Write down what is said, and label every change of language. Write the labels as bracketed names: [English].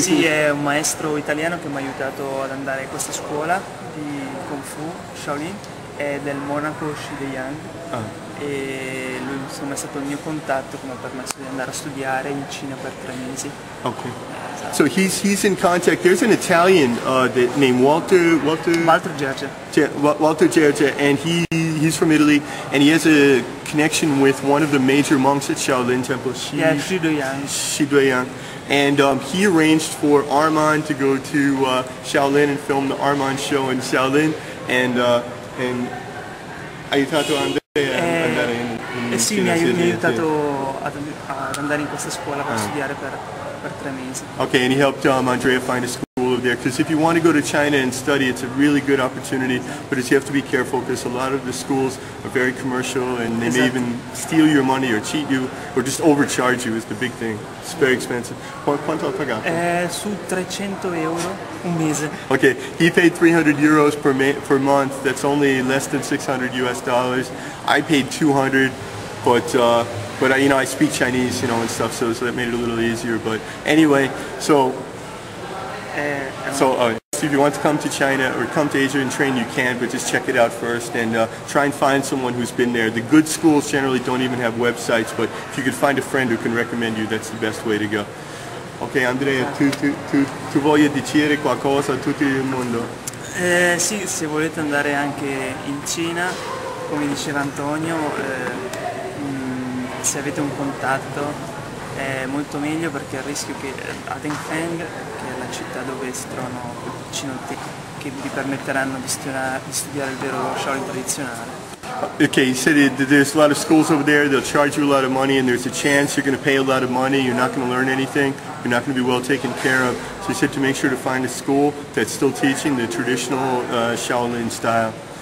[Italian] Sì, è un maestro italiano che mi ha aiutato ad andare a questa scuola di Kung Fu, Shaolin, è del monaco Shideyang. Ah. E lui insomma è stato il mio contatto che mi ha permesso di andare a studiare in Cina per 3 mesi. [English] Ok. So he's in contact. There's an Italian named Walter Gergia, and he's from Italy, and he has a connection with one of the major monks at Shaolin Temple. Shidoyang. And he arranged for Armand to go to Shaolin and film the Armand show in Shaolin, and [Italian] aiutato Andrea ad andare in Sì, mi ha aiutato ad andare in questa scuola per studiare per 3 mesi. [English] Okay, and he helped Andrea find a school over there, because if you want to go to China and study, it's a really good opportunity, but you have to be careful because a lot of the schools are very commercial and they may even steal your money or cheat you or just overcharge you is the big thing. It's very expensive. [Italian] Quanto ha pagato? Su 300 euro un mese. [English] Okay, he paid 300 euros per month. That's only less than 600 US dollars. I paid 200, but you know, I speak Chinese, you know, and stuff, so that made it a little easier. But anyway, so if you want to come to China or come to Asia and train, you can, but just check it out first and try and find someone who's been there. The good schools generally don't even have websites, but if you could find a friend who can recommend you, that's the best way to go. [Italian] Okay, Andrea, tu voglio dire qualcosa a tutto il mondo? Sì, se volete andare anche in Cina, come diceva Antonio, se avete un contatto è molto meglio, perché il rischio che a Dengfeng, che è la città dove si trovano vicino te, che vi permetteranno di studiare il vero Shaolin tradizionale. [English] Okay, you said that there's a lot of schools over there, they'll charge you a lot of money, and there's a chance you're going to pay a lot of money, you're not going to learn anything, you're not going to be well taken care of. So you said to make sure to find a school that's still teaching the traditional Shaolin style.